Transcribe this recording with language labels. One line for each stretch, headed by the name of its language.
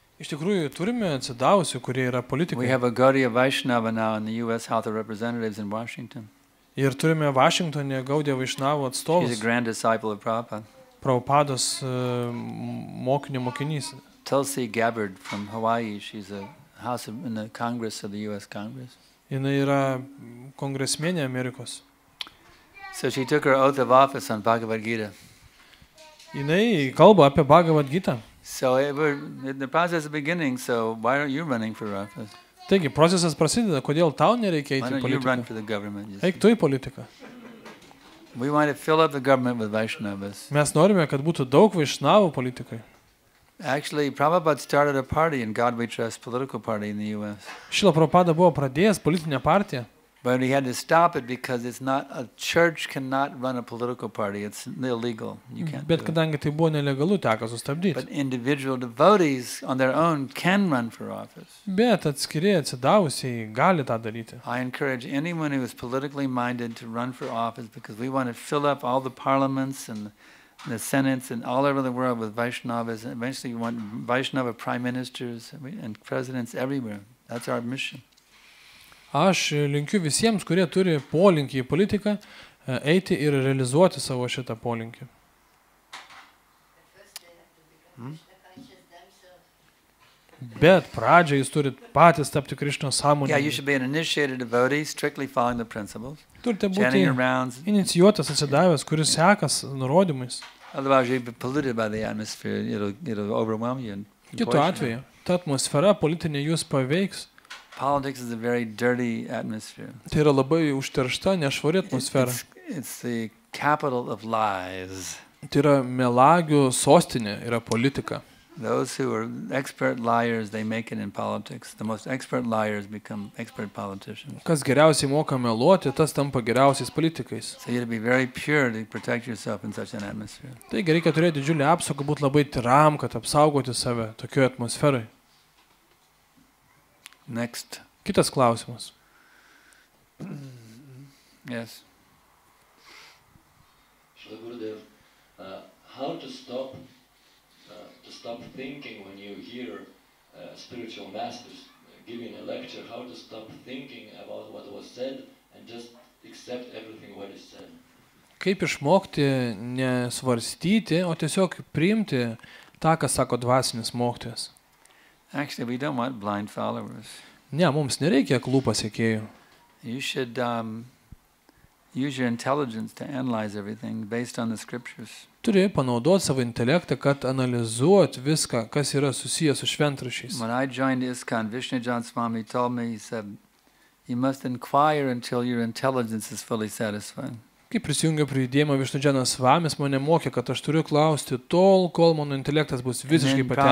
Lithuanian: Iš tikrųjų, turime atsidavusių, kurie yra politikai.
English: We have a Gaudiya Vaishnava now in the U.S. House of Representatives in Washington.
Lithuanian: Ir turime Vašingtone Gaudiya Vaishnava atstovus.
English: She's a grand disciple of Prabhupada.
Lithuanian: Prabhupados mokinys.
English: Tulsi Gabbard from Hawaii, she's a house of, in the Congress of the US Congress.
Lithuanian: Ina yra kongresmenė Amerikos.
English: So she took her oath of office on Bhagavad Gita.
Lithuanian: Ina kalba apie Bhagavad Gita.
English: So in the process of beginning, so why aren't you running for office?
Lithuanian: Taigi, procesas prasideda, kodėl tau nereikia eiti į politiką?
English: Why don't you run for the government?
Lithuanian: Eik tu į politiką.
English: We want to fill up the government with Vaishnavas.
Lithuanian: Mes norime, kad būtų daug Vaishnavų politikai.
English: Actually, Prabhupada started a party in God We Trust political party in the US.
Lithuanian: Šila Prabhupada buvo pradėjęs politinę partiją.
English: But he had to stop it because it's not a church cannot run a political party. It's illegal. You can't.
Lithuanian: Bet kadangi tai buvo nelegalu, teko sustabdyti.
English: But individual devotees on their own can run for office.
Lithuanian: Bet atskiri atsidavusieji gali tą daryti.
English: I encourage anyone who is politically minded to run for office because we want to fill up all the parliaments and the senates and all over the world with Vaishnavas. Eventually we want Vaishnava prime ministers and presidents everywhere. That's our mission.
Lithuanian: Aš linkiu visiems, kurie turi polinkį į politiką, eiti ir realizuoti savo šitą polinkį. Bet pradžioje jūs turite patys tapti Krishna sąmoningi. Turite būti inicijuotas, atsidavęs, kuris sekas nurodymais. Kitu atveju, ta atmosfera politinė jūs paveiks
English: Politics is a very dirty atmosphere.
Lithuanian: Tai yra labai užteršta, nešvari atmosfera.
English: It's the capital of lies.
Lithuanian: Tai yra melagių sostinė, yra politika.
English: Those who are expert liars, they make it in politics. The most expert liars become expert politicians.
Lithuanian: Kas geriausiai moka meluoti, tas tampa geriausiais politikais.
English: So you have to be very pure to protect yourself in such an atmosphere.
Lithuanian: Taigi reikia turėti didžiulį apsaugą, būti labai tiram, kad apsaugoti save tokioje atmosferoje.
English: Next.
Lithuanian: Kitas klausimas.
English: Yes. Shri Gurudev, how to stop thinking when you hear spiritual masters giving a lecture, how to stop thinking about what was said and just accept everything what is said?
Lithuanian: Kaip išmokti nesvarstyti, o tiesiog priimti tą, ką sako dvasinis mokytojas?
English: Actually, we don't want blind followers.
Lithuanian: Ne, mums nereikia aklų pasiekėjų.
English: You should use your intelligence to analyze everything based on the scriptures.
Lithuanian: Turi panaudoti savo intelektą, kad analizuot viską, kas yra susiję su šventraščiais.
English: When I joined ISKCON, Vishnujan Swami told me, he said, you must inquire until your intelligence is fully satisfied.
Lithuanian: Kai prisijungiau prie judėjimo, Vishnujanas Swamis mane mokė, kad aš turiu klausti tol, kol mano intelektas bus visiškai